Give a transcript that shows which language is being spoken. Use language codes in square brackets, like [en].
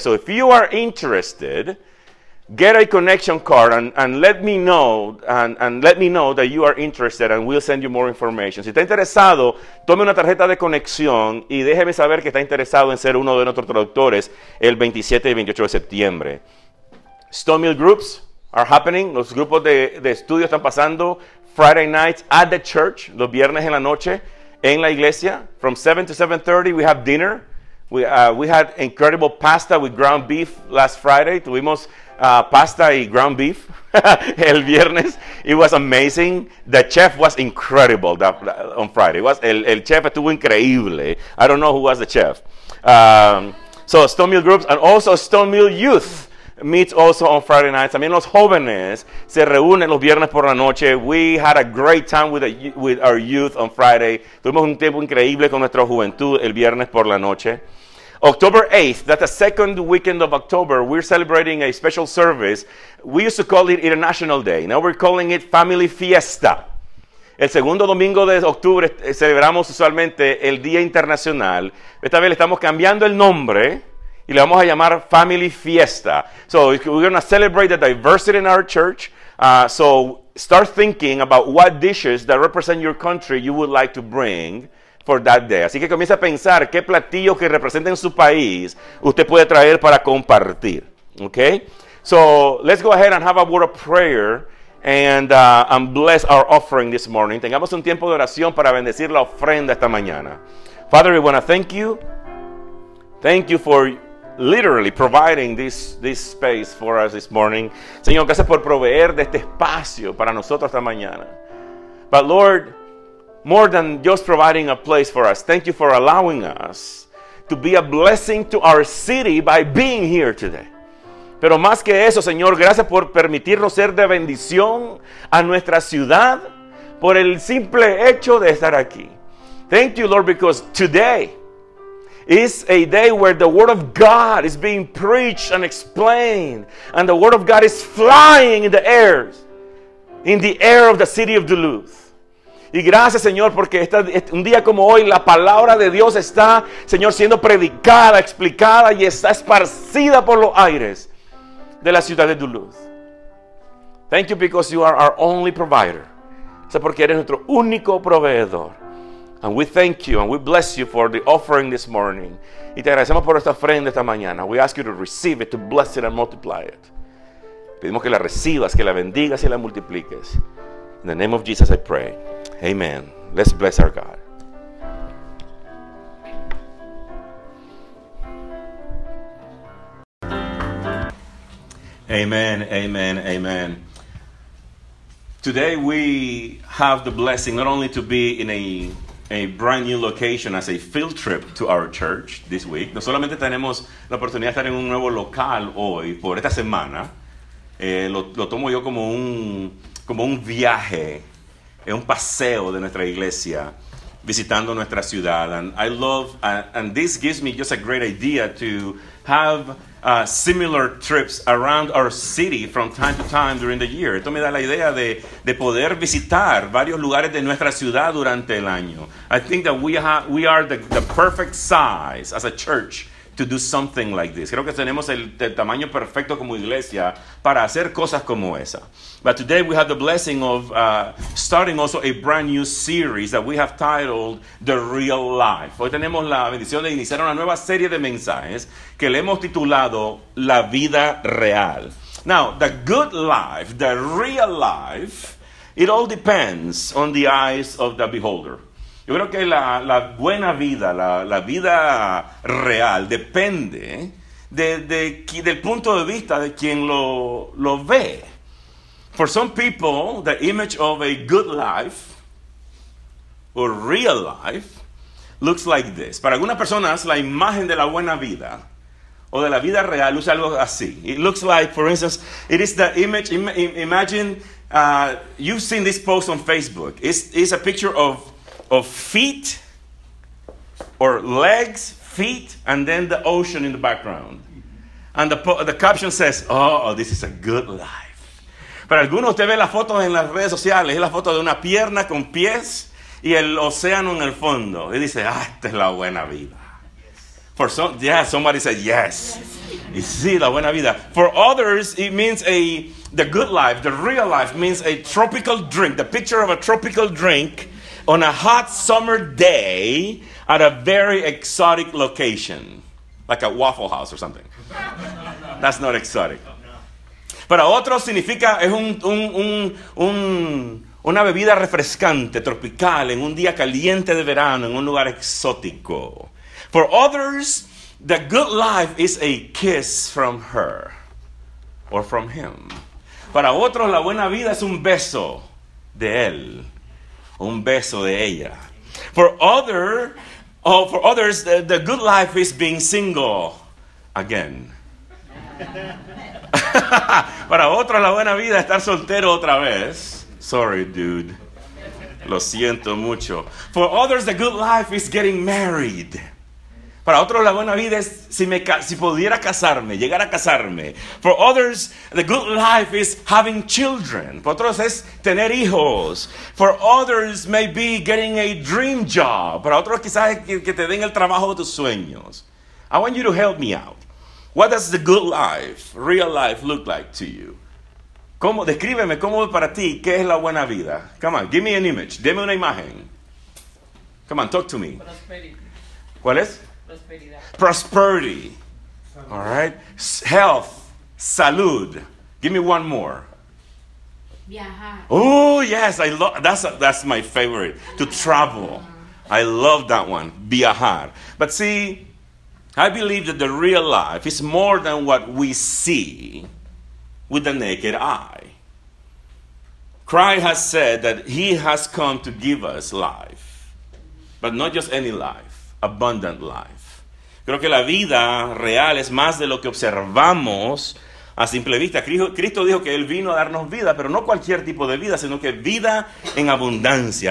[en] So if you are interested, get a connection card and let me know that you are interested, and we'll send you more information. [es] Si está interesado, tome una tarjeta de conexión y déjeme saber que está interesado en ser uno de nuestros traductores el 27 y 28 de septiembre. [en] Stone Mill Groups are happening. [es] Los grupos de estudio están pasando [en] Friday nights at the church, [es] los viernes en la noche, en la iglesia. [en] From 7 to 7:30, we have dinner. We had incredible pasta with ground beef last Friday. [es] Tuvimos pasta y ground beef el viernes. [en] It was amazing. The chef was incredible on Friday. [es] El chef estuvo increíble. [en] I don't know who was the chef. So Stone Mill Groups and also Stone Mill Youth meets also on Friday nights. [es] También los jóvenes se reúnen los viernes por la noche. [en] We had a great time with our youth on Friday. [es] Tuvimos un tiempo increíble con nuestra juventud el viernes por la noche. [en] October 8th, that's the second weekend of October, we're celebrating a special service. We used to call it International Day. Now we're calling it Family Fiesta. [es] El segundo domingo de octubre celebramos usualmente el Día Internacional. Esta vez le estamos cambiando el nombre y le vamos a llamar Family Fiesta. [en] So we're going to celebrate the diversity in our church. So start thinking about what dishes that represent your country you would like to bring for that day. [es] Así que comienza a pensar qué platillos que representen su país usted puede traer para compartir. [en] Okay? So let's go ahead and have a word of prayer and bless our offering this morning. [es] Tengamos un tiempo de oración para bendecir la ofrenda esta mañana. [en] Father, we want to thank you Thank you for literally providing this space for us this morning. [es] Señor, gracias por proveer de este espacio para nosotros esta mañana. [en] But Lord, more than just providing a place for us, thank you for allowing us to be a blessing to our city by being here today. [es] Pero más que eso, Señor, gracias por permitirnos ser de bendición a nuestra ciudad por el simple hecho de estar aquí. [en] Thank you, Lord, because today is a day where the Word of God is being preached and explained, and the Word of God is flying in the air of the city of Duluth. [es] Y gracias, Señor, porque un día como hoy la palabra de Dios está, Señor, siendo predicada, explicada y está esparcida por los aires de la ciudad de Duluth. [en] Thank you because you are our only provider. [es] O sea, porque eres nuestro único proveedor. [en] And we thank you and we bless you for the offering this morning. [es] Y te agradecemos por esta ofrenda esta mañana. [en] We ask you to receive it, to bless it and multiply it. [es] Pedimos que la recibas, que la bendigas y la multipliques. [en] In the name of Jesus I pray. Amen. Let's bless our God. Amen, amen, amen. Today we have the blessing not only to be in a brand new location as a field trip to our church this week. [es] No solamente tenemos la oportunidad de estar en un nuevo local hoy por esta semana. Lo tomo yo como un viaje. Es un paseo de nuestra iglesia visitando nuestra ciudad. [en] And I love, and this gives me just a great idea to have similar trips around our city from time to time during the year. [es] Esto me da la idea de poder visitar varios lugares de nuestra ciudad durante el año. [en] I think that we are the perfect size as a church to do something like this. [es] Creo que tenemos el tamaño perfecto como iglesia para hacer cosas como esa. [en] But today we have the blessing of starting also a brand new series that we have titled The Real Life. [es] Hoy tenemos la bendición de iniciar una nueva serie de mensajes que le hemos titulado La Vida Real. [en] Now, the good life, the real life, it all depends on the eyes of the beholder. [es] Yo creo que la buena vida, la vida real, depende del punto de vista de quien lo ve. [en] For some people, the image of a good life or real life looks like this. [es] Para algunas personas, la imagen de la buena vida o de la vida real luce algo así. [en] It looks like, for instance, it is the image. Imagine you've seen this post on Facebook. It's a picture of feet or legs, feet, and then the ocean in the background. And the caption says, oh, this is a good life. [es] Para algunos, usted ve las fotos en las redes sociales. Es la foto de una pierna con pies y el océano en el fondo. Y dice, ah, esta es la buena vida. [en] Somebody said yes. [es] Y sí, la buena vida. [en] For others, it means the good life, the real life, means a tropical drink, the picture of a tropical drink on a hot summer day at a very exotic location, like a Waffle House or something. That's not exotic. [es] Para otros significa es una bebida refrescante, tropical, en un día caliente de verano, en un lugar exótico. [en] For others, the good life is a kiss from her or from him. [es] Para otros, la buena vida es un beso de él. Un beso de ella. [en] For others, the good life is being single again. [es] Para otros, la buena vida es estar soltero otra vez. [en] Sorry, dude. [es] Lo siento mucho. [en] For others, the good life is getting married. [es] Para otros, la buena vida es si pudiera llegar a casarme. [en] For others, the good life is having children. [es] Para otros, es tener hijos. [en] For others, maybe getting a dream job. [es] Para otros, quizás es que te den el trabajo de tus sueños. [en] I want you to help me out. What does the good life, real life, look like to you? [es] Descríbeme cómo para ti, ¿qué es la buena vida? [en] Come on, give me an image. [es] Deme una imagen. [en] Come on, talk to me. [es] ¿Cuál es? [en] Prosperity. All right. Health. Salud. Give me one more. [es] Viajar. [en] Oh, yes. That's my favorite. To travel. I love that one. Viajar. But see, I believe that the real life is more than what we see with the naked eye. Christ has said that he has come to give us life, but not just any life, abundant life. [es] Creo que la vida real es más de lo que observamos a simple vista. Cristo dijo que él vino a darnos vida, pero no cualquier tipo de vida, sino que vida en abundancia.